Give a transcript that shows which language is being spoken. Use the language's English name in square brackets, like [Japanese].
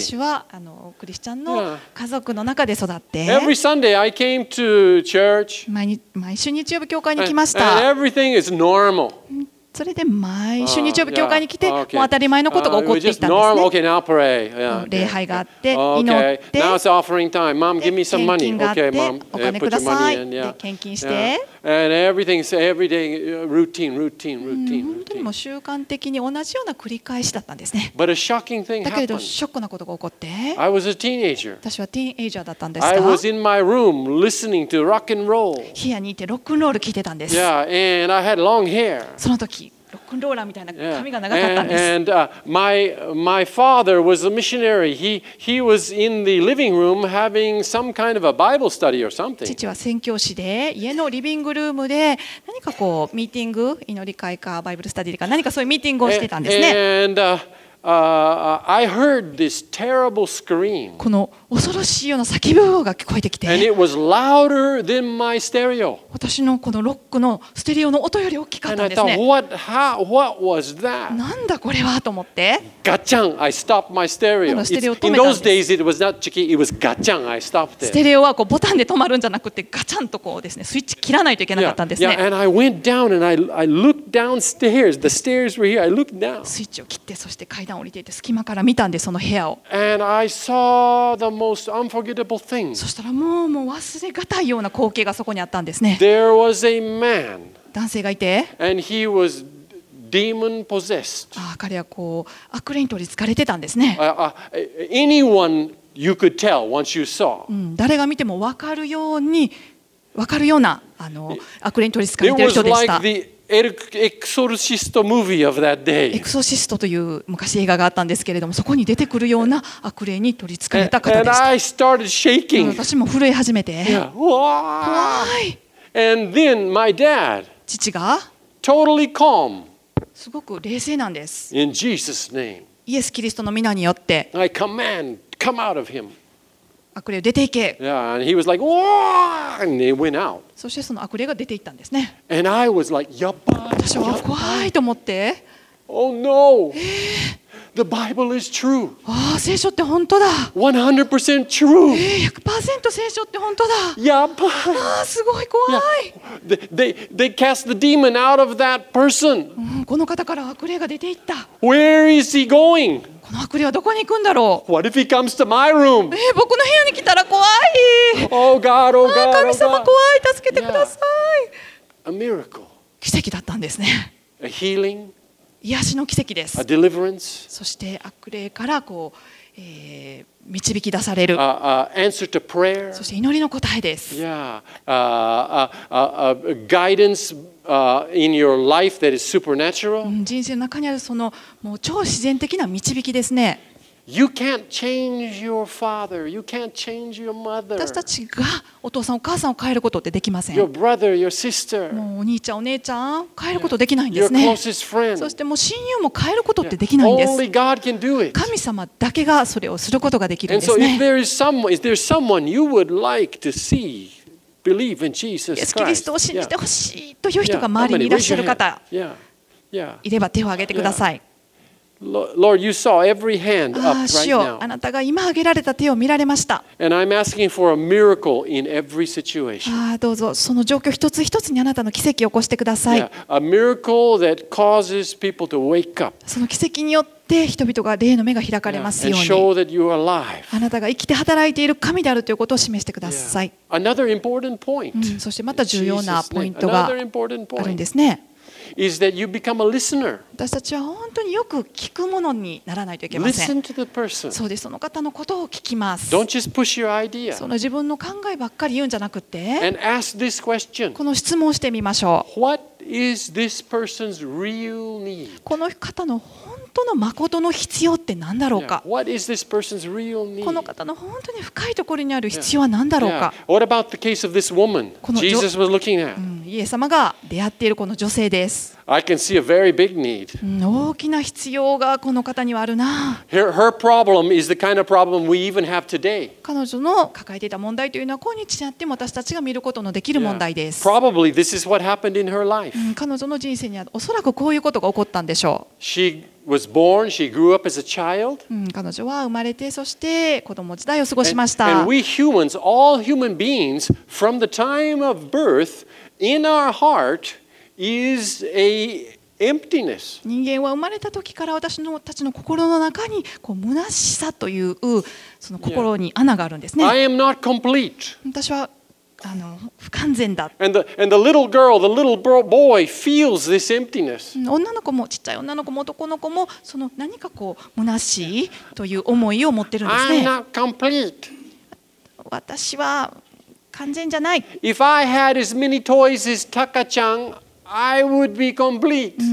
[Japanese] 私はクリスチャンの家族の中で育って。 [English] Every Sunday I came to church. [Japanese] 毎週日曜日教会に来ました。 [English] And everything is normal. [Japanese] それで毎週日曜日教会に来て、もう当たり前のことが起こっていたんですね。 [English] Okay, now pray. Yeah, okay. [Japanese] 礼拝があって祈って、 [English] okay. Now it's offering time. Mom, give me some money. Okay, mom, [Japanese] お金ください。献金して。 [English] And everything's everyday routine. [Japanese] 本当にもう習慣的に同じような繰り返しだったんですね。 [English] But a shocking thing happened. [Japanese] だけどショックなことが起こって。 [English] I was a teenager. [Japanese] 私はティーンエイジャーだったんですか。 [English] I was in my room listening to rock and roll. [Japanese] 部屋にいてロックンロール聞いてたんです。 [English] Yeah, and I had long hair. [Japanese] その時。ロックンローラーみたいな髪が長かったんです。 [English] And my father was a missionary. He was in the living room having some kind of a Bible study or something. [Japanese] 父は宣教師で家のリビングルームで何かこうミーティング祈り会かバイブルスタディか何かそういうミーティングをしてたんですね。 [English] And, I heard this terrible scream. [Japanese] この恐ろしいような叫び声が聞こえてきて。 [English] And it was louder than my stereo. [Japanese] 私のこのロックのステレオの音より大きかったんですね。 [English] And I thought, what was that? [Japanese] なんだこれはと思って。 [English] ガチャン、I stopped my stereo. [Japanese] ステレオ止めたんです。 [English] In those days, it was not chicky. It was ガチャン、I stopped it. [Japanese] ステレオはこうボタンで止まるんじゃなくて、ガチャンとこうですね、スイッチ切らないといけなかったんですね。 [English] Yeah, yeah. And I went down and I looked downstairs. The stairs were here. I looked down. [Japanese] スイッチを切って、そして階段降りていて隙間から見たんでその部屋を。 [English] And I saw the most unforgettable thing. [Japanese] そしたらもう忘れがたいような光景がそこにあったんですね。 [English] There was a man. [Japanese] 男性がいて。 [English] And he was demon possessed. [Japanese] ああ彼はこう悪霊に取り憑かれてたんですね。 [English] Anyone you could tell once you saw. [Japanese] 誰が見ても分かるような悪霊に取り憑かれてる人でした。 [English] It was like theエクソシストムービーOf that day. [Japanese] エクソシストという昔映画があったんですけれども、そこに出てくるような悪霊に取り憑かれた方でした。 [English] And I started shaking. [Japanese] 私も震え始めて。 [English] Why? And then my dad. [Japanese] 父が。 [English] Totally calm. [Japanese] すごく冷静なんです。 [English] In Jesus' name. [Japanese] イエスキリストの名によって。 [English] I command, come out of him. [Japanese] 悪霊を出ていけ。 [English] Yeah, and he was like, "Whoa!" And he went out. [Japanese] そしてその悪霊が出ていったんですね。 [English] And I was like, [Japanese] "Yabba!" 私は怖いと思って。 [English] Oh no!、The Bible is true. [Japanese] ああ、聖書って本当だ。 [English] 100% true. [Japanese] 100% 聖書って本当だ。 Yabba! ああ、すごい怖い。Yeah. [English] They cast the demon out of that person.、 [Japanese] この方から悪霊が出ていった。 [English] Where is he going? [Japanese] この悪霊はどこに行くんだろう。 [English] What if he comes to my room? [Japanese] 僕の部屋に来たら怖い。 [English] Oh God, oh God, oh God. [Japanese] 神様怖い、助けてください。 [English] A miracle. [Japanese] 奇跡だったんですね。 [English] A healing. [Japanese] 癒しの奇跡です。 [English] A deliverance. [Japanese] そして悪霊からこう、導き出される。 [English] Answer to prayer. [Japanese] そして祈りの答えです。 [English] Guidance. In your life that is supernatural. [Japanese] 人生の中にあるそのもう超自然的な導きですね。 [English] You can't change your father. You can't change your mother. [Japanese] 私たちがお父さんお母さんを変えることってできません。 [English] Your brother, your sister. [Japanese] もうお兄ちゃんお姉ちゃん変えることできないんですね。 [English] Your closest friend. [Japanese] そしてもう親友も変えることってできないんです。 [English] Only God can do it. [Japanese] 神様だけがそれをすることができるんですね。 [English] And so, is there someone you would like to see? Believe in Jesus Christ. [Japanese] イエスキリストを信じてほしいという人が周りにいらっしゃる方、いれば手を挙げてください。 [English] Lord, you saw every hand up right now. [Japanese] 主よ、あなたが今挙げられた手を見られました。 [English] And I'm asking for a miracle in every situation. [Japanese] どうぞその状況一つ一つにあなたの奇跡を起こしてください。 [English] A miracle that causes people to wake up. [Japanese] その奇跡によってで人々が霊の目が開かれますように、あなたが生きて働いている神であるということを示してください。 [English] Another important point. [Japanese] そしてまた重要なポイントがあるんですね。 [English] Is that you become a listener. [Japanese] 私たちは本当によく聞くものにならないといけません。 [English] Listen to the person. [Japanese] そうです、その方のことを聞きます。 [English] Don't just push your idea. [Japanese] その自分の考えばっかり言うんじゃなくて、 [English] And ask this question. [Japanese] この質問をしてみましょう。 [English] What is this person's real need? [Japanese] この方の本当の誠の必要って何だろうか。この方の本当に深いところにある必要は何だろうか。 [English] What about the case of this woman? Jesus was looking at. [Japanese] イエス様が出会っているこの女性です。 [English] I can see a very big need. [Japanese] 大きな必要がこの方にはあるな。 [English] Her problem is the kind of problem we even have today. [Japanese] 彼女の抱えていた問題というのは今日になっても私たちが見ることのできる問題です。 [English] Probably this is what happened in her life. [Japanese] 彼女の人生にはおそらくこういうことが起こったんでしょう。 [English] Was born. She grew up as a child. [Japanese] 彼女は生まれてそして子供時代を過ごしました。 [English] And we humans, all human beings, from the time of birth, in our heart, is a emptiness. [Japanese] 人間は生まれた時から私のたちの心の中にこう虚しさというその心に穴があるんですね。 [English] I am not complete. [Japanese] 私は不完全だ。 [English] And the little girl, the little boy feels this emptiness. [Japanese] 女の子もちっちゃい女の子も男の子もその何かこう虚しいという思いを持ってるんですね。 [English] I'm not complete. [Japanese] 私は完全じゃない。 [English] If I had as many toys as Takachan, I would be complete.